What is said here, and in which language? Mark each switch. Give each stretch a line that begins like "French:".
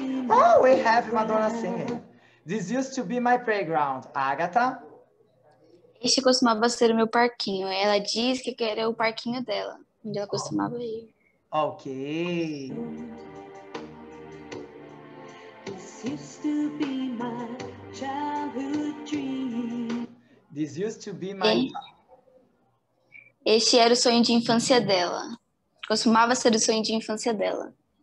English: Oh, we have Madonna singing. This used to be my playground. Agatha?
Portuguese: Este costumava ser o meu parquinho. Ela diz que era o parquinho dela, onde ela costumava ir. Ok.
English: This used to be my childhood dream. This used to be my...
Portuguese: Este era o sonho de infância dela. Costumava ser o sonho de infância dela.